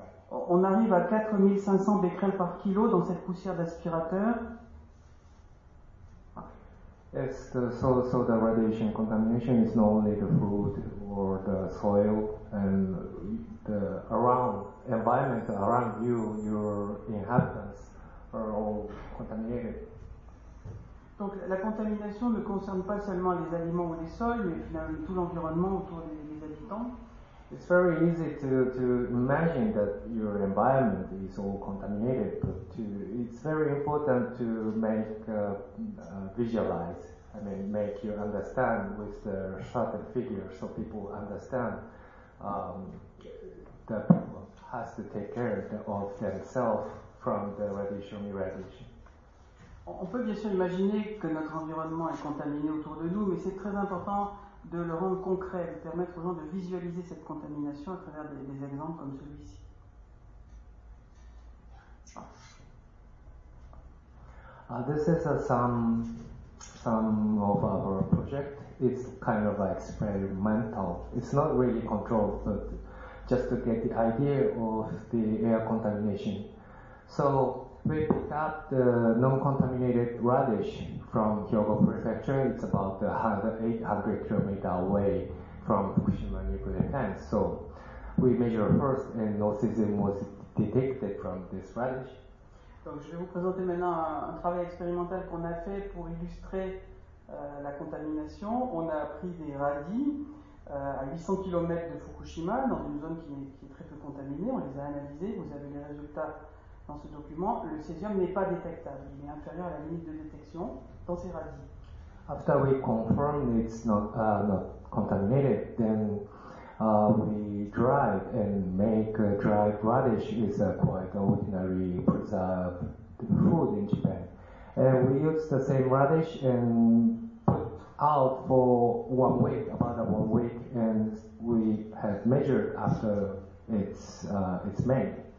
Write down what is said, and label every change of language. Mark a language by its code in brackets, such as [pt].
[fr] On arrive à 4,500 becquerels par kilo dans cette poussière d'aspirateur. [en] It's so the radiation contamination is not only the food or the soil and the around environment around you, your inhabitants are all contaminated. [fr] Donc la contamination ne concerne pas seulement les aliments ou les sols, mais finalement tout l'environnement autour des habitants. [en] It's very easy to imagine that your environment is all contaminated, but it's very important to make visualize. I mean, make you understand with the shorter figure so people understand that people has to take care of themselves from the radiation irradiation. [fr] On peut bien sûr imaginer que notre environnement est contaminé autour de nous, mais c'est très important de le rendre concret, de permettre aux gens de visualiser cette contamination à travers des exemples comme celui-ci. [en] This is some of our project. It's kind of experimental. It's not really controlled, but just to get the idea of the air contamination. So we picked up the non-contaminated radish from Hyogo Prefecture. It's about 800 kilometers away from Fukushima nuclear plant. So we measured first and no cesium was detected from this radish. [fr] Donc je vais vous présenter maintenant un travail expérimental qu'on a fait pour illustrer la contamination. On a pris des radis à 800 km de Fukushima, dans une zone qui est très peu contaminée. On les a analysés, vous avez les résultats dans ce document. Le césium n'est pas détectable, il est inférieur à la limite de détection dans ces radis. [en] After we confirmed it's not contaminated, then we dried and make dried radish is quite ordinary preserved food in Japan. And we used the same radish and put out for 1 week, about 1 week, and we have measured after it's made.